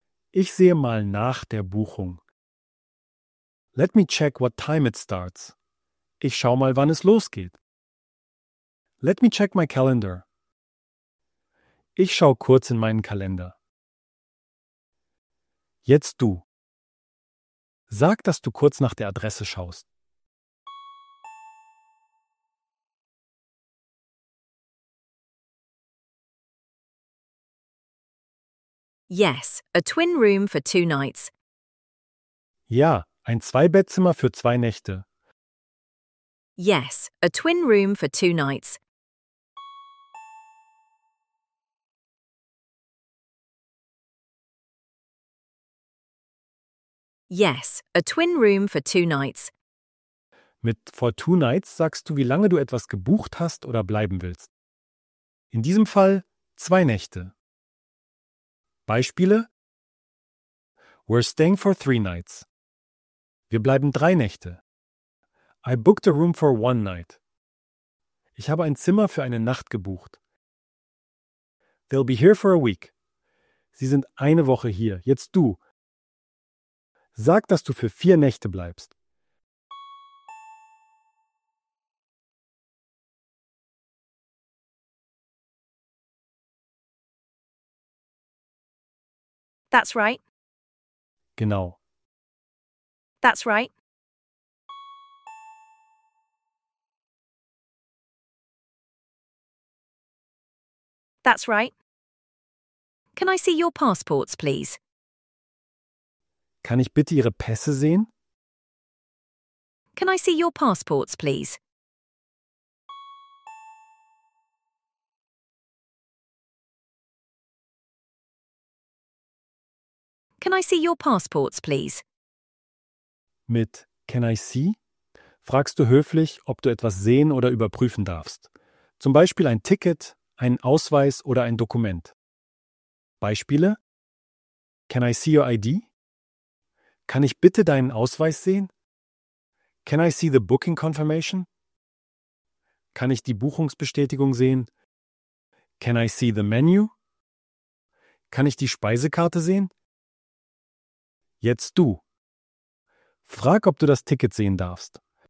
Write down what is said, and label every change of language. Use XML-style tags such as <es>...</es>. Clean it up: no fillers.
<de>Ich sehe mal nach der Buchung.</de> <en>Let me check what time it starts.</en> <de>Ich schau mal, wann es losgeht. Let me check my calendar. Ich schau kurz in meinen Kalender. Jetzt du. Sag, dass du kurz nach der Adresse schaust.</de> <en>Yes, a twin room for two nights.</en> <de>Ja, ein Zweibettzimmer für zwei Nächte.</de> <en>Yes, a twin room for two nights. Yes, a twin room for two nights.</en> <de>Mit for two nights sagst du, wie lange du etwas gebucht hast oder bleiben willst. In diesem Fall zwei Nächte. Beispiele?</de> <en>We're staying for three nights.</en> <de>Wir bleiben drei Nächte.</de> <en>I booked a room for one night.</en> <de>Ich habe ein Zimmer für eine Nacht gebucht.</de> <en>They'll be here for a week.</en> <de>Sie sind eine Woche hier. Jetzt du. Sag, dass du für vier Nächte bleibst.</de> <en>That's right.</en> <de>Genau.</de> <en>That's right. That's right. Can I see your passports, please?</en> <de>Kann ich bitte Ihre Pässe sehen?</de> <en>Can I see your passports, please? Can I see your passports, please? Mit "Can I see?"</en> <de>fragst du höflich, ob du etwas sehen oder überprüfen darfst. Zum Beispiel ein Ticket, einen Ausweis oder ein Dokument. Beispiele? Can I see your ID? Kann ich bitte deinen Ausweis sehen?</de> <en>Can I see the booking confirmation?</en> <de>Kann ich die Buchungsbestätigung sehen? Can I see the menu? Kann ich die Speisekarte sehen? Jetzt du. Frag, ob du das Ticket sehen darfst.</de>